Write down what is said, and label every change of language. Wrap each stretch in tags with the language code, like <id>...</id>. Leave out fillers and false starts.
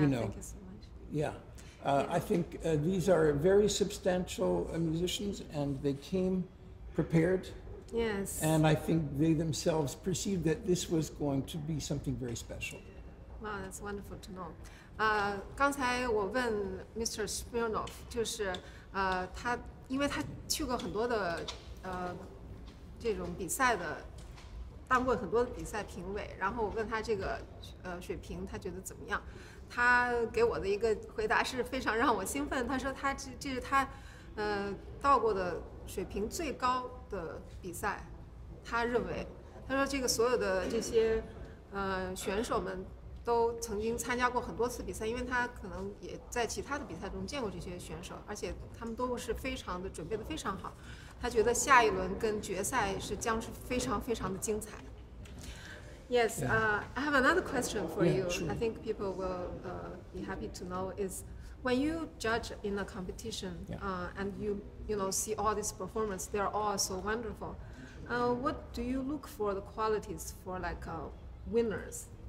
<en>you know, thank you so much. Yeah. I think these are very substantial musicians, and they came prepared. Yes. And I think they themselves perceived that this was going to be something very special. Wow, that's wonderful to know.</en> <zh>刚才我问</zh> <en>Mr.</en> <zh>Smirnoff， 就是他，因为他去过很多的这种比赛的，当过很多的比赛评委，然后我问他这个水平，他觉得怎么样？他给我的一个回答是非常让我兴奋。他说他这是他，到过的水平最高的比赛。他认为，他说这个所有的这些，选手们都曾经参加过很多次比赛，因为他可能也在其他的比赛中见过这些选手，而且他们都是非常的准备的非常好。他觉得下一轮跟决赛是将是非常非常的精彩。</zh> <en>Yes, I have another question for you. Sure. I think people will be happy to know is when you judge in a competition and you know, see all these performances, they are all so wonderful. What do you look for the qualities for like winners?</en>